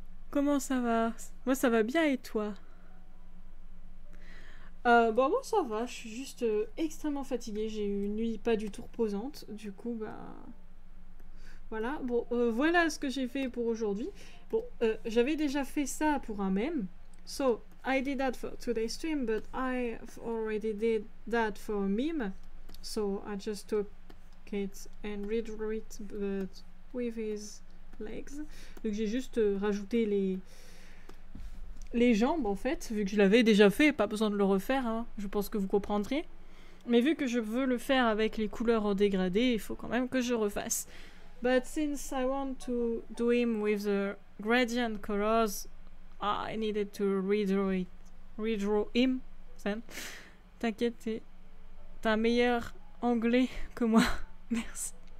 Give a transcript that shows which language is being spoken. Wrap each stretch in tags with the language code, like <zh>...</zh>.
<fr>Comment ça va? Moi ça va bien et toi? Bon, moi ça va, je suis juste extrêmement fatiguée, j'ai eu une nuit pas du tout reposante, du coup bah... Voilà, bon, voilà ce que j'ai fait pour aujourd'hui. Bon, j'avais déjà fait ça pour un mème.</fr> <en>So, I did that for today's stream, but I already did that for a meme. So, I just took it and redrew it, but with his... legs.</en> <fr>Donc j'ai juste rajouté les jambes en fait, vu que je l'avais déjà fait, pas besoin de le refaire, hein. Je pense que vous comprendriez. Mais vu que je veux le faire avec les couleurs en dégradé, il faut quand même que je refasse.</fr> <en>But since I want to do him with the gradient colors, I needed to redraw him.</en> <fr>T'inquiète, t'as un meilleur anglais que moi. Merci.</fr>